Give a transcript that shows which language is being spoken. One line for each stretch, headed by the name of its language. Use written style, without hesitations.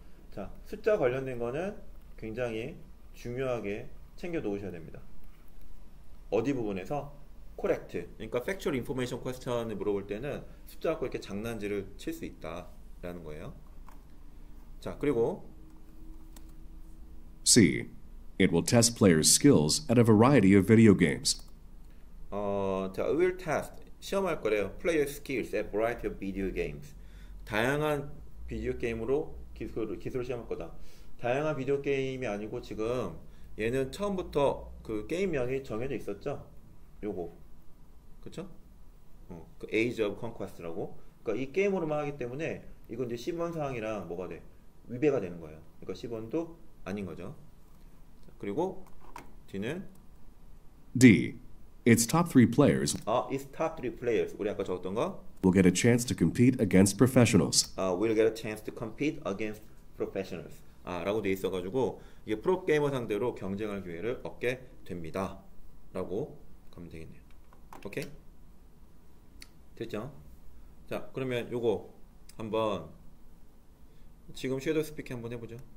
Korean: 자, 숫자 관련된 거는 굉장히 중요하게 챙겨 놓으셔야 됩니다. 어디 부분에서 correct 그러니까 factual information question을 물어볼 때는 숫자 갖고 이렇게 장난질을 칠 수 있다라는 거예요. 자, 그리고
English: C. It will test players' skills at a variety of video games.
Korean: 자,
English: will test
Korean: 시험할 거래요.
English: Player skills at variety of video games.
Korean: 다양한 비디오 게임으로 기술을 시험할 거다. 다양한 비디오 게임이 아니고 지금 얘는 처음부터 그 게임명이 정해져 있었죠. 요거. 그렇죠? 그 Age of Conquest라고. 그러니까 이 게임으로만 하기 때문에 이거 이제 10번 사항이랑 뭐가 돼? 위배가 되는 거예요. 그러니까 10번도 아닌 거죠. 자, 그리고 뒤는
English: D. It's top three players. It's top three players.
Korean: 우리 아까 적었던 거.
English: We'll get a chance to compete against professionals. We'll get a chance to compete against professionals.
Korean: 아, 라고 돼 있어가지고 이게 프로 게이머 상대로 경쟁할 기회를 얻게 됩니다. 라고 가면 되겠네요. 오케이? 됐죠? 자, 그러면 요거 한번 지금 섀도우 스피킹 한번 해보죠.